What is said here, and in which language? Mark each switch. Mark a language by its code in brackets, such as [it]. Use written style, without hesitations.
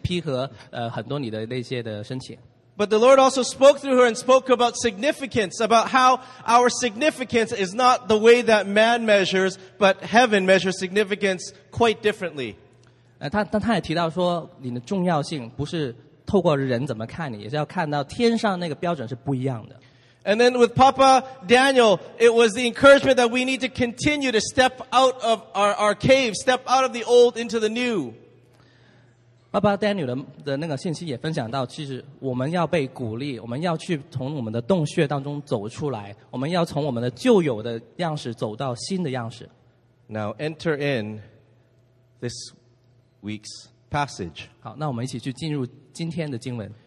[zh] 当然了，当你去到她的银行，你肯定很想她就是提前批核很多你的那些的申请。 [en] But the Lord also spoke through her and spoke about significance, about how our significance is not the way that man measures, but heaven measures significance quite differently. [zh] 但他也提到说，你的重要性不是透过人怎么看你，也是要看到天上那个标准是不一样的。 [en] And then with Papa Daniel, it was the encouragement that we need to continue to step out of our cave, step out of the old into the new. [zh] Papa Daniel的那个信息也分享到，其实我们要被鼓励，我们要去从我们的洞穴当中走出来，我们要从我们的旧有的样式走到新的样式。 [en] Now enter in this week's passage. [zh] 好，那我们一起去进入今天的经文。